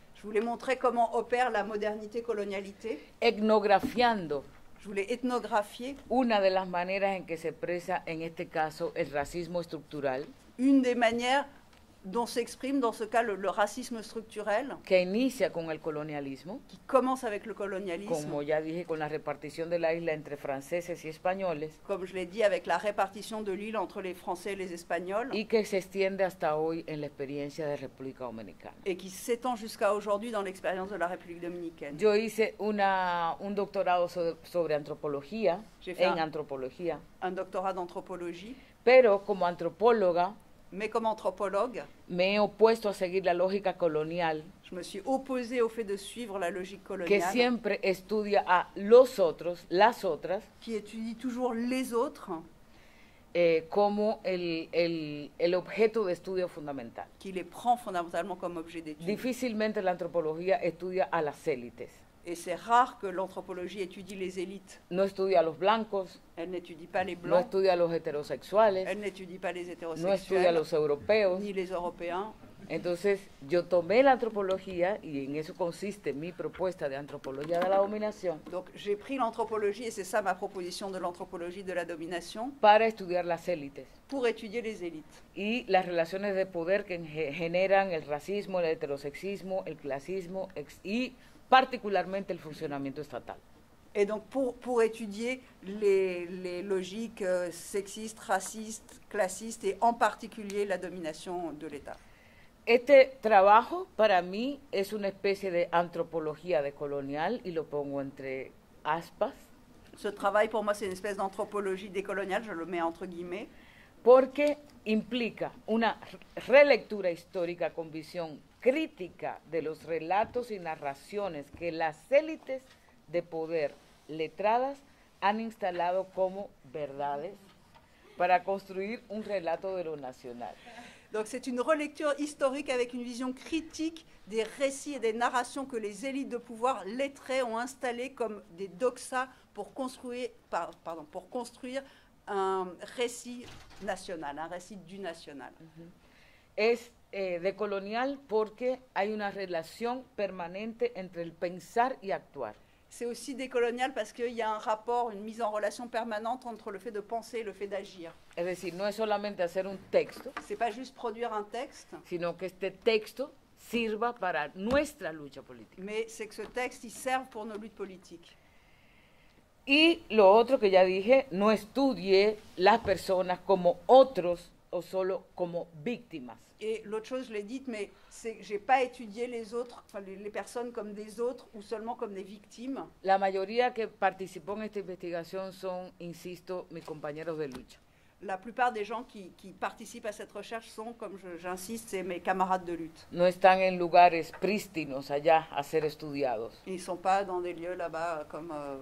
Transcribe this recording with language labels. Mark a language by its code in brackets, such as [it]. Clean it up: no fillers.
[fr] Je voulais montrer comment opère la modernité colonialité. [es] Etnografiando. [fr] Je voulais ethnographier [es] una de las maneras en que se expresa en este caso el racismo estructural. [fr] Une des manières dont s'exprime dans ce cas le racisme structurel. [es] Que inicia con el colonialismo. [fr] Qui commence avec le colonialisme. [es] Como ya dije, con la repartición de la isla entre franceses y españoles. [fr] Comme je l'ai dit, avec la répartition de l'île entre les Français et les Espagnols. [es] Y que se extiende hasta hoy en la experiencia de República Dominicana. [fr] Et qui s'étend jusqu'à aujourd'hui dans l'expérience de la République Dominicaine. [es] Yo hice un doctorado sobre antropología. [fr] J'ai fait [es] en antropología. [fr] Un doctorat d'anthropologie. [es] Pero como antropóloga. [fr] Mais comme anthropologue, [es] me he opuesto a seguir la lógica colonial. [fr] Je me suis opposée au fait de suivre la logique coloniale. [es] Que siempre estudia a los otros, las otras. [fr] Qui étudie toujours les autres. [es] Como el objeto de estudio fundamental. [fr] Qui les prend fondamentalement comme objet d'étude. [es] Difícilmente la antropología estudia a las élites. [fr] Et c'est rare que l'anthropologie étudie les élites. [es] No estudia a los blancos. [fr] Elle n'étudie pas les blancs. [es] No estudia a los heterosexuales. [fr] Elle n'étudie pas les hétérosexuels. [es] No estudia a los europeos. [fr] Ni les européens. [es] Entonces, yo tomé la antropología y en eso consiste mi propuesta de antropología de la dominación. [fr] Donc, j'ai pris l'anthropologie et c'est ça ma proposition de l'anthropologie de la domination. [es] Para estudiar las élites. [fr] Pour étudier les élites. [es] Y las relaciones de poder que generan el racismo, el heterosexismo, el clasismo y particularmente el funcionamiento estatal. [fr] Et donc pour étudier les logiques sexistes, racistes, classistes et en particulier la domination de l'État. [es] Este trabajo para mí es una especie de antropología decolonial y lo pongo entre aspas. [fr] Ce travail, pour moi, c'est une espèce d'anthropologie décoloniale, je le mets entre guillemets. [es] Porque implica una relectura histórica con visión crítica de los relatos y narraciones que las élites de poder letradas han instalado como verdades para construir un relato de lo nacional. [fr] Donc c'est une relecture historique avec une vision critique des récits et des narrations que les élites de pouvoir lettrées ont installées comme des doxas pour construire, pardon, pour construire un récit national, un récit du national. [es] Es décolonial porque hay una relación permanente entre el pensar y actuar. [fr] C'est aussi décolonial parce qu'il y a un rapport, une mise en relation permanente entre le fait de penser et le fait d'agir. [es] Es decir, no es solamente hacer un texto. [fr] C'est pas juste produire un texte. [es] Sino que este texto sirva para nuestra lucha política. [fr] Mais c'est que ce texte, il serve pour nos luttes politiques. [es] Y lo otro que ya dije, no estudie las personas como otros o solo como víctimas. [fr] Et l'autre chose, je l'ai dite, mais c'est que je n'ai pas étudié les autres, enfin, les personnes comme des autres ou seulement comme des victimes. [es] La mayoría que participó en esta investigación son, insisto, mis compañeros de lucha. [fr] La plupart des gens qui participent à cette recherche sont, comme j'insiste, mes camarades de lutte. [es] No están en lugares prístinos allá a ser estudiados. [fr] Ils ne sont pas dans des lieux là-bas comme